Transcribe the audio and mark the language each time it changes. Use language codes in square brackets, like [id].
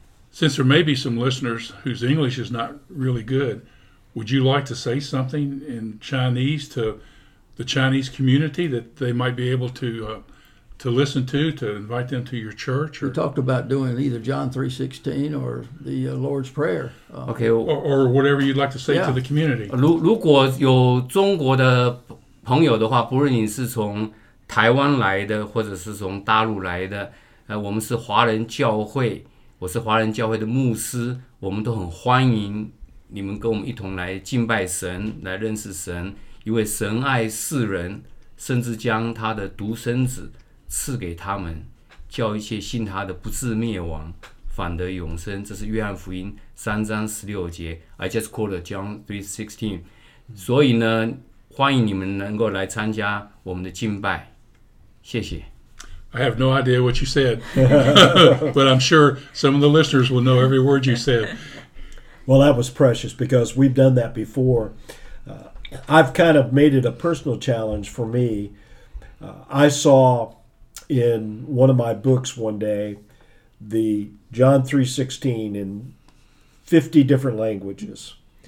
[en] Since there may be some listeners whose English is not really good, would you like to say something in Chinese to the Chinese community that they might be able to to listen to invite them to your church? Or? You talked about doing either John 3:16 or the Lord's Prayer. Okay. Or whatever you'd like to say to the community. [zh] 如果有中国的朋友的话，不论你是从台湾来的，或者是从大陆来的，我们是华人教会，我是华人教会的牧师，我们都很欢迎你们跟我们一同来敬拜神，来认识神，因为神爱世人，甚至将他的独生子赐给他们，叫一切信他的不至灭亡，反得永生。这是约翰福音3:16。 [en] I just quoted John 3:16。 [zh] 所以呢，欢迎你们能够来参加我们的敬拜，谢谢。 [en] I have no idea what you said, but I'm sure some of the listeners will know every word you said. Well, that was precious because we've done that before. I've kind of made it a personal challenge for me. I saw in one of my books one day the John 3:16 in 50 different languages.